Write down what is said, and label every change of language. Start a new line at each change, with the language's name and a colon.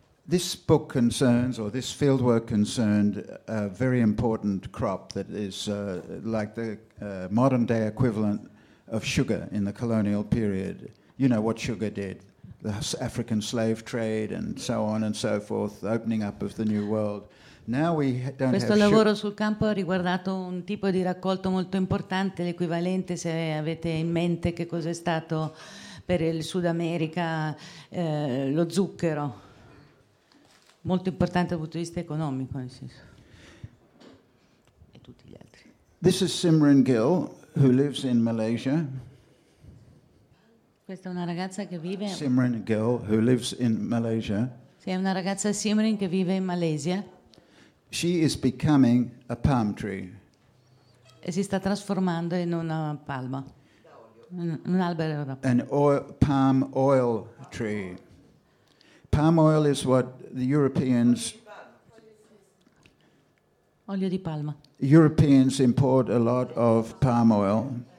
English: This book concerns, or this fieldwork concerned, a very important crop that is like the modern day equivalent of sugar in the colonial period. You know what sugar did, the African slave trade and so on and so forth, the opening up of the New World. Now we don't
Italian: questo have lavoro sul campo ha riguardato un tipo di raccolto molto importante, l'equivalente, se avete in mente che cos'è stato per il Sud America, lo zucchero, molto importante dal punto di vista economico, nel senso. E tutti gli altri.
English: This is Simran Gill, who lives in Malaysia.
Italian: Questa è una ragazza che vive.
English: Simran Gill, who lives in Malaysia.
Italian: Sì, è una ragazza Simran che vive in Malesia.
English: She is becoming a palm tree.
Italian: E si sta trasformando in una palma. Un albero da palma.
English: An oil, palm oil tree. Palm oil is what the Europeans.
Italian: Olio di palma.
English: Europeans import a lot of palm oil.